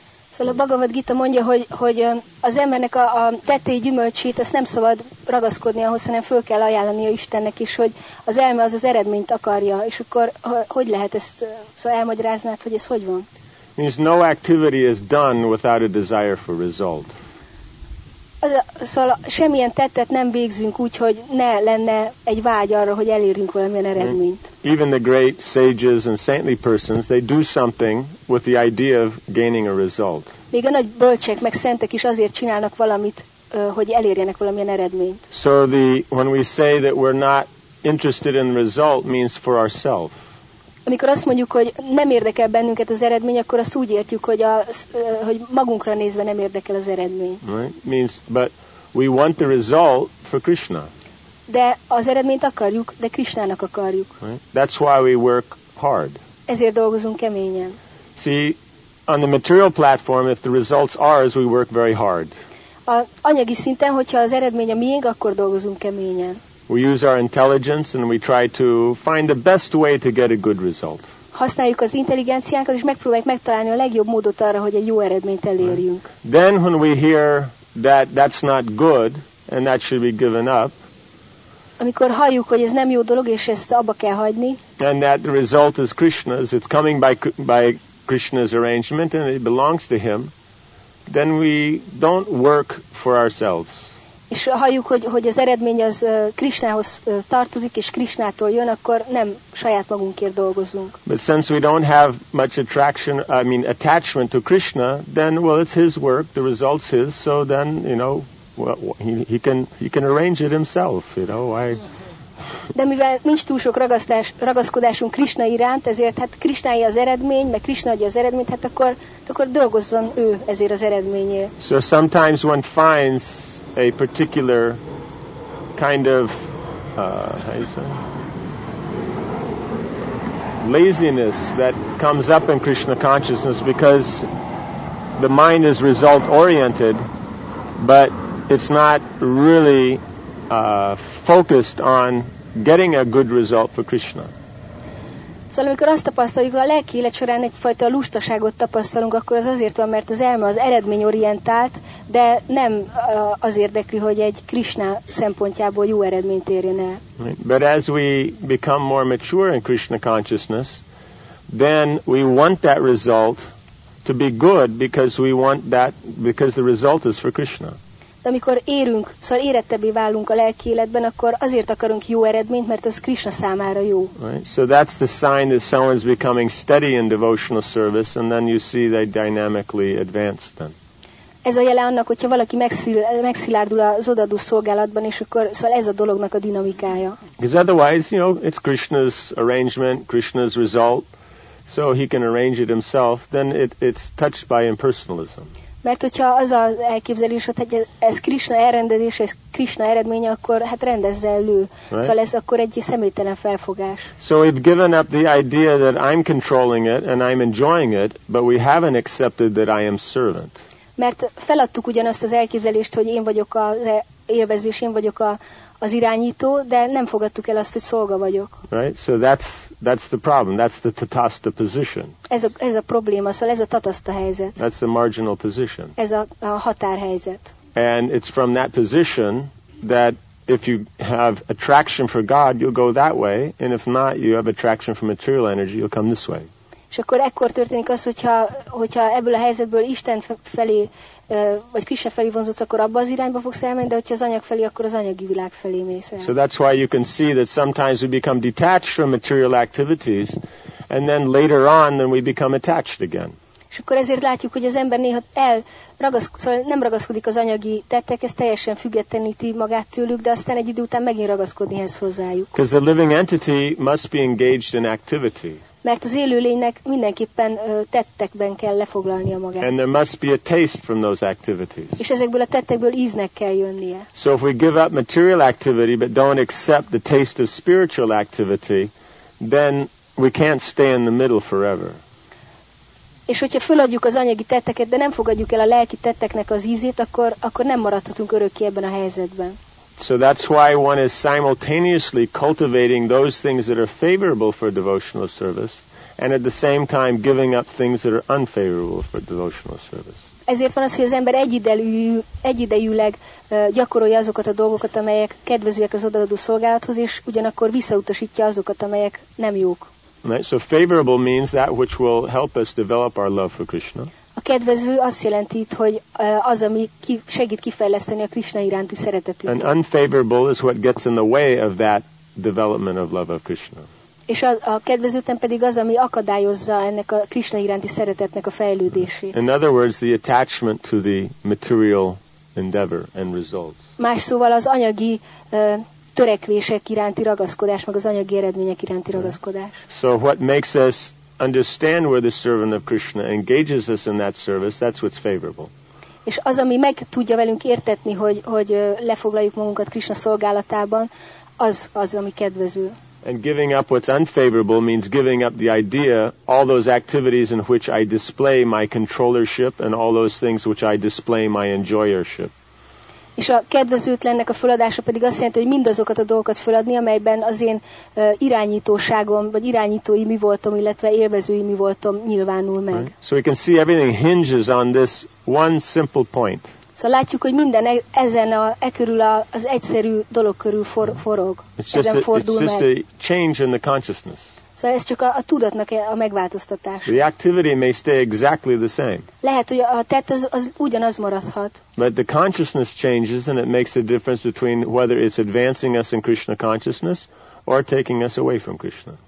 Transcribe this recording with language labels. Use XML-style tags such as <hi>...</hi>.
<hu>Szóval a Bhagavad Gita mondja, hogy az embernek a tetei gyümölcsét, azt nem szabad ragaszkodni ahhoz, hanem föl kell ajánlani a Istennek is, hogy az elme az eredményt akarja. És akkor hogy lehet ezt, szóval elmagyaráznád, hogy ez hogy van?</hu> <en>Means no activity is done without a desire for result.</en> <hu>Szóval semmilyen tettet nem végzünk úgy, hogy ne lenne egy vágy arra, hogy elérjünk valamilyen eredményt.</hu> <en>Even the great sages and saintly persons, they do something with the idea of gaining a result.</en> <hu>Még a nagy bölcsek meg szentek is azért csinálnak valamit, hogy elérjenek valamilyen eredményt.</hu> <en>So when we say that we're not interested in result means for ourselves.</en> <hu>Amikor azt mondjuk, hogy nem érdekel bennünket az eredmény, akkor azt úgy értjük, hogy magunkra nézve nem érdekel az eredmény.</hu> <en>Right. Means, but we want the result for Krishna.</en> <hu>De az eredményt akarjuk, de Krishnának akarjuk.</hu> <en>Right. That's why we work hard.</en> <hu>Ezért dolgozunk keményen.</hu> <en>See, on the material platform, if the results are ours, we work very hard.</en> <hu>A anyagi szinten, hogyha az eredmény a miénk, akkor dolgozunk keményen.</hu> <en>We use our intelligence and we try to find the best way to get a good result.</en> <hu>Használjuk az intelligenciánkat és megpróbáljuk megtalálni a legjobb módot arra, hogy egy jó eredményt elérjünk.</hu> <en>Right. Then when we hear that that's not good and that should be given up.</en> <hu>Amikor halljuk, hogy ez nem jó dolog és ezt abba kell hagyni.</hu> <en>And that the result is Krishna's, it's coming by Krishna's arrangement and it belongs to him. Then we don't work for ourselves.</en> <hu>És halljuk, hogy az eredmény az Krishnához tartozik, és Krishnától jön, akkor nem saját magunkért dolgozunk.</hu> <en>But since we don't have much attraction, I mean attachment to Krishna, then well, it's his work, the result's his, so then, you know, well, he can arrange it himself, you know, why?</en> <hu>De mivel nincs túl sok ragaszkodásunk Krishna iránt, ezért hát Krishnája az eredmény, meg Krishna adja az eredményt, hát akkor dolgozzon ő ezért az eredményért.</hu> <en>So sometimes one finds a particular kind of how you say, laziness that comes up in Krishna consciousness because the mind is result oriented, but it's not really focused on getting a good result for Krishna.</en> <hu>Szóval amikor azt tapasztaljuk, hogy a lelki élet során egyfajta lustaságot tapasztalunk, akkor az azért van, mert az elme az eredményorientált, de nem az érdekli, hogy egy Krishna szempontjából jó eredményt érjen el.</hu> <en>But as we become more mature in Krishna consciousness, then we want that result to be good because we want that, because the result is for Krishna.</en> <hu>De amikor érünk, szóval érettebbé válunk a lelki életben, akkor azért akarunk jó eredményt, mert az Krishna számára jó.</hu> <en>Right. So that's the sign that someone's becoming steady in devotional service, and then you see they dynamically advance then.</en> <hu>Ez a jele annak, hogyha valaki megszilárdul az odaadó szolgálatban, és akkor szóval ez a dolognak a dinamikája.</hu> <en>Because otherwise, you know, it's Krishna's arrangement, Krishna's result, so he can arrange it himself, then it's touched by impersonalism.</en> <hu>Mert hogyha az az elképzelés, hogy ez Krishna elrendezés, ez Krishna eredménye, akkor hát rendezze elő.</hu> <en>Right?</en> <hu>Szóval ez akkor egy személytelen felfogás.</hu> <en>So we've given up the idea that I'm controlling it and I'm enjoying it, but we haven't accepted that I am servant.</en> <hu>Mert feladtuk ugyanazt az elképzelést, hogy én vagyok az élvező, én vagyok az irányító, de nem fogadtuk el azt, hogy szolga vagyok.</hu> <en>Right? So that's the problem. That's the tatasta position.</en> <hu>Ez a probléma, szóval ez a tatasta helyzet.</hu> <en>That's the marginal position.</en> <hu>Ez a határhelyzet.</hu> <en>And it's from that position that if you have attraction for God, you'll go that way, and if not, you have attraction for material energy, you'll come this way.</en> <hu>És akkor ekkor történik az, hogyha ebből a helyzetből Isten felé, vagy Krisna felé vonzódsz, akkor abba az irányba fogsz elmenni, de hogyha az anyag felé, akkor az anyagi világ felé mész el.</hu> <en>So that's why you can see that sometimes we become detached from material activities, and then later on then we become attached again.</en> <hu>És akkor ezért látjuk, hogy az ember néha nem ragaszkodik az anyagi tettekhez, teljesen függetleníti magát tőlük, de aztán egy idő után megint ragaszkodni ehhez hozzájuk.</hu> <en>Because the living entity must be engaged in activity.</en> <hu>Mert az élő lénynek mindenképpen tettekben kell lefoglalnia magát.</hu> <en>And there must be a taste from those activities.</en> <hu>És ezekből a tettekből íznek kell jönnie.</hu> <en>So if we give up material activity but don't accept the taste of spiritual activity, then we can't stay in the middle forever.</en> <hu>És hogyha feladjuk az anyagi tetteket, de nem fogadjuk el a lelki tetteknek az ízét, akkor nem maradhatunk örökké ebben a helyzetben.</hu> <en>So that's why one is simultaneously cultivating those things that are favorable for devotional service and at the same time giving up things that are unfavorable for devotional service.</en> <hu>Ezért van az, hogy az ember egyidejűleg gyakorolja azokat a dolgokat, amelyek kedvezőek az odaadó szolgálathoz, és ugyanakkor visszautasítja azokat, amelyek nem jók.</hu> <en>Right? So favorable means that which will help us develop our love for Krishna.</en> <hu>A kedvező azt jelenti, hogy az, ami segít kifejleszteni a Krishna iránti szeretetünket.</hu> <en>And unfavorable is what gets in the way of that development of love of Krishna.</en> <hu>És a kedvezőtlen pedig az, ami akadályozza ennek a Krishna iránti szeretetnek a fejlődését.</hu> <en>In other words, the attachment to the material endeavor and results.</en> <hu>Más szóval az anyagi törekvések iránti ragaszkodás, meg az anyagi eredmények iránti ragaszkodás.</hu> <en>So what makes us understand where the servant of Krishna engages us in that service, that's what's favorable.</en> <hu>És az, ami meg tudja velünk értetni, hogy lefoglaljuk magunkat Krishna szolgálatában, az, ami kedvező.</hu> <en>And giving up what's unfavorable means giving up the idea, all those activities in which I display my controllership and all those things which I display my enjoyership.</en> <hu>És a kedvezőtlennek a feladása pedig azt jelenti, hogy mindazokat a dolgokat feladni, amelyben az én irányítóságom, vagy irányítói mi voltam, illetve élvezői mi voltam nyilvánul meg.</hu> <en>Right. So we can see everything hinges on this one simple point.</en> <hu>Szóval látjuk, hogy minden ezen az egyszerű dolog körül forog.</hu> <en>It's just a change in the consciousness.</en> <hu>Szóval ez csak a tudatnak a megváltoztatás.</hu> <en>The activity may stay exactly the same.</en> <hu>Lehet, hogy a tett az ugyanaz maradhat.</hu> <en>But the consciousness changes and it makes a difference between whether it's advancing us in Krishna consciousness or taking us away from Krishna.</en>